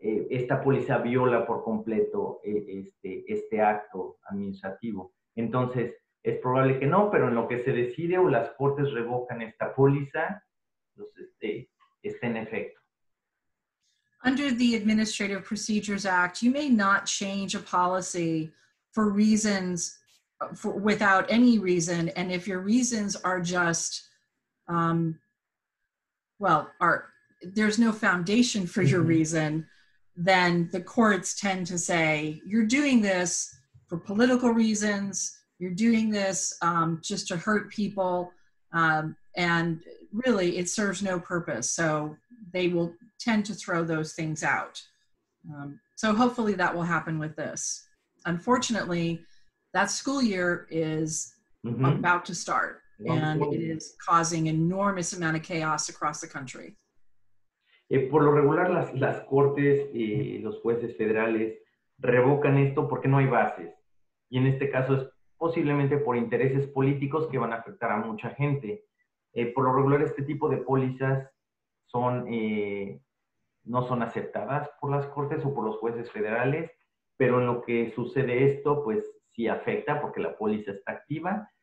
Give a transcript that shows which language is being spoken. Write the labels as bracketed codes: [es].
[es] Esta póliza viola por completo este acto administrativo. Entonces, es probable que no, pero en lo que se decide o las cortes revocan esta póliza, pues está en efecto. [en] Under the Administrative Procedures Act, you may not change a policy for reasons, without any reason, and if your reasons are just, there's no foundation for your reason, then the courts tend to say, you're doing this for political reasons, you're doing this just to hurt people, and really it serves no purpose. So they will tend to throw those things out. So hopefully that will happen with this. Unfortunately, that school year is about to start, and it is causing enormous amount of chaos across the country. [es] Por lo regular, las cortes y los jueces federales revocan esto porque no hay bases. Y en este caso es posiblemente por intereses políticos que van a afectar a mucha gente. Por lo regular, este tipo de pólizas son, no son aceptadas por las cortes o por los jueces federales, pero en lo que sucede esto, pues sí afecta porque la póliza está activa.